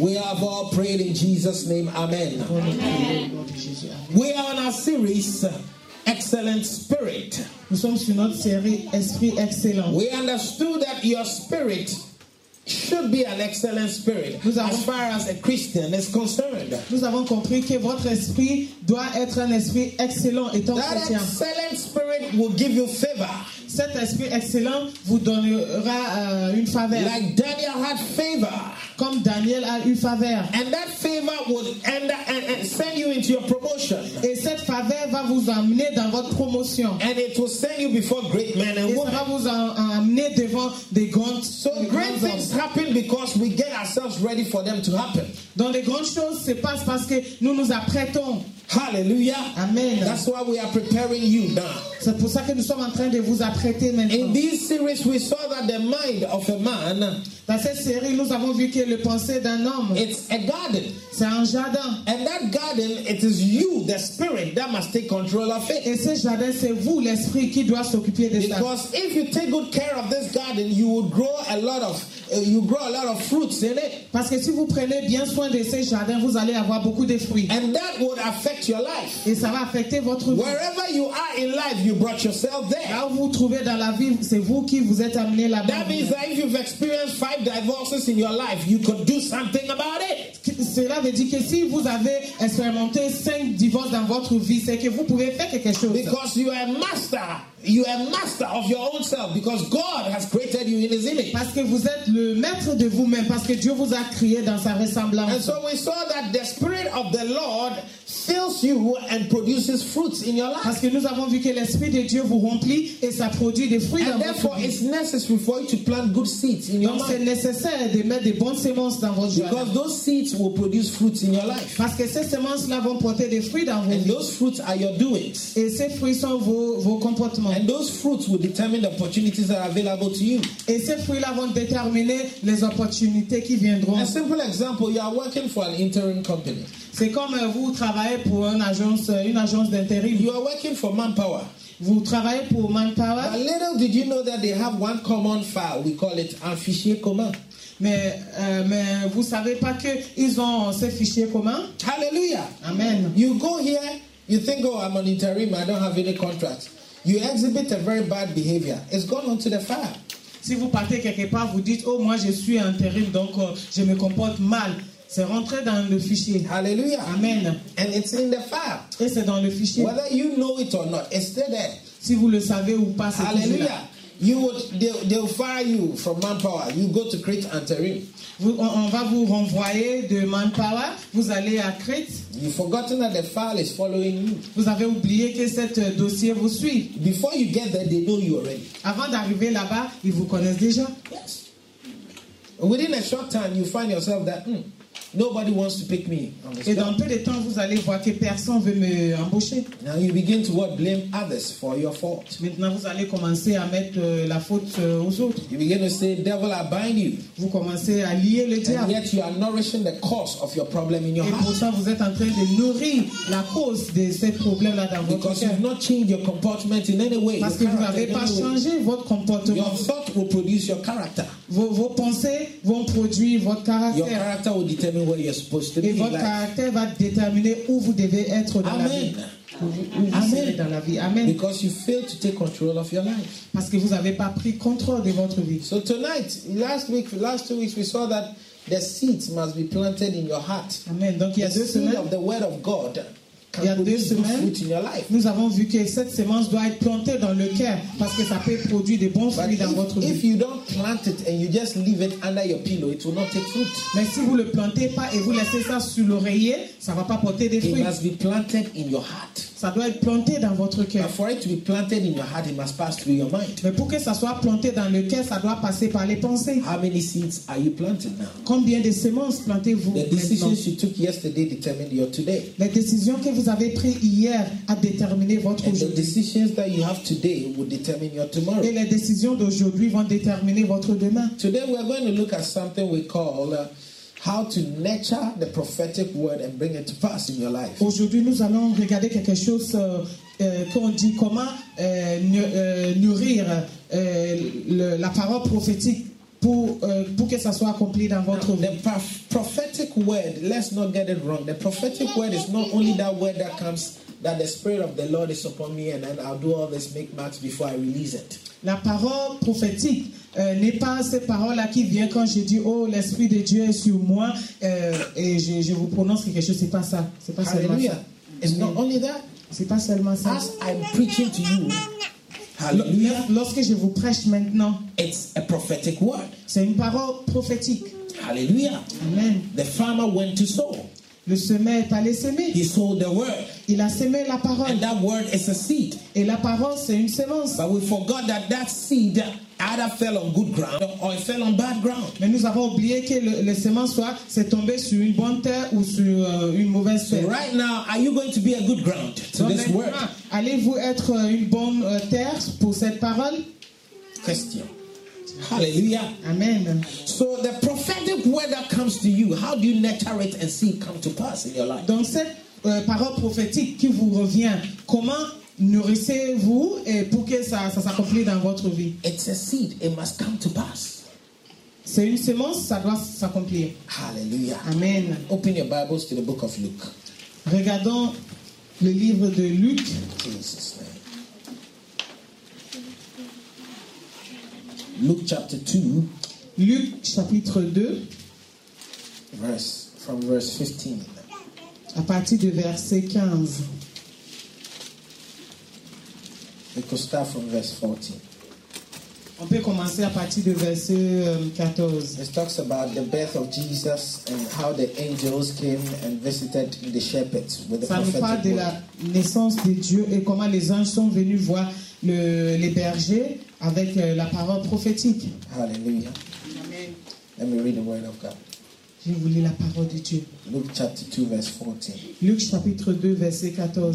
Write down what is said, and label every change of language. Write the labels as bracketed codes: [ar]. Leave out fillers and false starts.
[en] We have all prayed in Jesus' name. Amen. We are on our series, Excellent Spirit. [fr] Nous sommes sur notre série Esprit Excellent. [en] We understood that your spirit should be an excellent spirit as far as a Christian is concerned. [fr] Nous avons compris que votre esprit doit être un esprit excellent étant chrétien. [en] That excellent spirit will give you favor. [fr] Cet esprit excellent vous donnera une faveur. [en] Like Daniel had favor. [fr] Comme Daniel a eu faveur. [en] And that favor would and send you into your promotion. [fr] Et cette faveur va vous amener dans votre promotion. [en] And it will send you before great men and women. [fr] Et ça va vous amener devant des grands. [en] So great things happen because we get ourselves ready for them to happen. [fr] Donc les grandes choses se passent parce que nous nous apprêtons. Hallelujah. Amen. [en] That's why we are preparing you now. [fr] C'est pour ça que nous sommes en train de vous apprêter maintenant. [en] In this series, we saw that the mind of a man. [fr] Dans cette série, nous avons vu que le pensée d'un homme. [en] It's a garden. [fr] C'est un jardin. [en] And that garden, it is you, the spirit, that must take control of it. [fr] Et ce jardin, c'est vous, l'esprit, qui doit s'occuper de ça. [en] Because if you take good care of this garden, you will grow a lot of fruits in it. [fr] Parce que si vous prenez bien soin de ce jardin, vous allez avoir beaucoup de fruits. [en] And that would affect your life. [fr] Et ça va affecter votre vie. [en] Wherever you are in life, you brought yourself there. [fr] Là où vous trouvez dans la vie, c'est vous qui vous êtes amené là-bas. [en] That means that if you've experienced 5 divorces in your life, you could do something about it. [fr] Cela veut dire que si vous avez expérimenté 5 divorces dans votre vie, c'est que vous pouvez faire quelque chose. [en] Because you are a master. You are master of your own self because God has created you in his image. [fr] Parce que vous êtes le maître de vous-même parce que Dieu vous a créé dans sa ressemblance. [en] And so we saw that the spirit of the Lord fills you and produces fruits in your life. [fr] Parce que nous avons vu que l'esprit de Dieu vous remplit et ça produit des fruits dans votre vie. [en] And therefore it's necessary for you to plant good seeds in your life. [fr] Donc c'est nécessaire de mettre des bonnes semences dans votre vie. [en] Because those seeds will produce fruits in your life. [fr] Parce que ces semences-là vont porter des fruits dans votre vie. [en] And those fruits are your doings. [fr] Et ces fruits sont vos comportements. [en] And those fruits will determine the opportunities that are available to you. [fr] Et ces fruits-là vont déterminer les opportunités qui viendront. [en] A simple example, you are working for an interim company. [fr] C'est comme vous travaillez pour une agence d'intérim. [en] You are working for Manpower. [fr] Vous travaillez pour Manpower. [en] But little did you know that they have one common file. We call it [fr] un fichier commun. Mais vous savez pas que ils ont ce fichier commun? Hallelujah. Amen. [en] You go here, you think, oh, I'm an interim, I don't have any contract. You exhibit a very bad behavior. It's gone onto the fire. [fr] Si vous partez quelque part, vous dites, oh, moi je suis intérim, donc je me comporte mal. C'est rentré dans le fichier. Hallelujah. Amen. [en] And it's in the fire. [fr] Et c'est dans le fichier. [en] Whether you know it or not, it's still there. [fr] Si vous le savez ou pas, c'est toujours là. [en] Hallelujah. They'll fire you from Manpower. You go to Crete interim. [fr] On va vous renvoyer de Manpower. Vous allez à Crete. [en] You've forgotten that the file is following you. [fr] Vous avez oublié que cette dossier vous suit. [en] Before you get there, they know you already. [fr] Avant d'arriver là-bas, ils vous connaissent déjà. [en] Yes. Within a short time, you find yourself that Nobody wants to pick me. [fr] Et dans peu de temps, vous allez voir que personne veut me embaucher. [en] Now you begin to blame others for your fault. [fr] Maintenant, vous allez commencer à mettre la faute aux autres. [en] You begin to say, devil, I bind you. [fr] Vous commencez à lier le diable. [en] And yet you are nourishing the cause of your problem in your heart. [fr] Et pourtant, vous êtes en train de nourrir la cause de ce problème là dans votre cœur. [en] Because you have not changed your comportment in any way. [fr] Parce que vous n'avez pas changé votre comportement. [en] Your thought will produce your character. [fr] Vos pensées vont produire votre caractère. [en] Your character will determine where you're supposed to be. [fr] Et votre caractère va déterminer où vous devez être dans Amen. La vie. Amen. Dans la vie. Amen. [en] Because you failed to take control of your life. [fr] Parce que vous n'avez pas pris contrôle de votre vie. [en] So tonight, last two weeks, we saw that the seeds must be planted in your heart. [fr] Amen. Donc il y a deux semaines. [en] The seed of the word of God. [fr] Il y a deux semaines, nous avons vu que cette semence doit être plantée dans le cœur parce que ça peut produire des bons fruits dans votre vie. [en] If you don't plant it and you just leave it under your pillow, it will not take fruit. [fr] Mais si vous le plantez pas et vous laissez ça sur l'oreiller, ça va pas porter des fruits. [en] It must be planted in your heart. [fr] Ça doit être planté dans votre cœur. [en] But for it to be planted in your heart, it must pass through your mind. [fr] Mais pour que ça soit planté dans le cœur, ça doit passer par les pensées. [en] How many seeds are you planting now? [fr] Combien de semences plantez-vous maintenant? [en] The decisions you took yesterday determine your today. [fr] Les décisions que vous avez prises hier a déterminé votre [en] and [fr] aujourd'hui. [en] The decisions that you have today will determine your tomorrow. [fr] Et les décisions d'aujourd'hui vont déterminer votre demain. [en] Today we are going to look at something we call how to nurture the prophetic word and bring it to pass in your life. [fr] Aujourd'hui, nous allons regarder quelque chose qu'on dit comment nourrir la parole prophétique pour que ça soit accompli dans votre vie. [en] The prophetic word, let's not get it wrong. The prophetic word is not only that word that comes that the spirit of the Lord is upon me and then I'll do all this mikmaq before I release it. [fr] La parole prophétique n'est pas cette parole-là qui vient quand je dis « Oh, l'Esprit de Dieu est sur moi et je vous prononce quelque chose. » Ce n'est pas ça. Ce n'est pas Hallelujah. Seulement ça. [en] It's not only that. [fr] Ce n'est pas seulement ça. [en] As I'm preaching to you, [fr] Hallelujah. Lorsque je vous prêche maintenant, [en] it's a prophetic word. [fr] C'est une parole prophétique. Hallelujah. Amen. [en] The farmer went to sow. [fr] Le semeur est allé semer. [en] He sowed the word. [fr] Il a semé la parole. [en] And that word is a seed. [fr] Et la parole, c'est une semence. [en] But we forgot that that seed either fell on good ground or it fell on bad ground. [fr] Mais nous avons oublié que le semence soit c'est tombé sur une bonne terre ou sur une mauvaise terre. [en] So right now, are you going to be a good ground to [fr] Donc [en] this word? [fr] Allez-vous être une bonne terre pour cette parole? [en] Question. Hallelujah. Amen. So the prophetic word that comes to you, how do you nurture it and see it come to pass in your life? [fr] Donc cette parole prophétique qui vous revient, comment nourrissez-vous et pour que ça s'accomplisse dans votre vie? [en] It's a seed. It must come to pass. [fr] C'est une semence, ça doit s'accomplir. Hallelujah. Amen. [en] Open your Bibles to the book of Luke. [fr] Regardons le livre de Luc. [en] Jesus. Luke chapter 2. [fr] Luc chapitre 2. [en] From verse 15. [fr] À partir de verset 15. [en] We could start from verse 14. [fr] On peut commencer à partir de verset 14. [en] It talks about the birth of Jesus and how the angels came and visited the shepherds with the prophetic word. [fr] Ça nous parle de la naissance de Dieu et comment les anges sont venus voir les bergers avec la parole prophétique. Hallelujah. Amen. [en] Let me read the word of God. [fr] Je vous lis la parole de Dieu. [en] Luke chapter 2 verse 14. [fr] Luc chapitre 2 verset 14.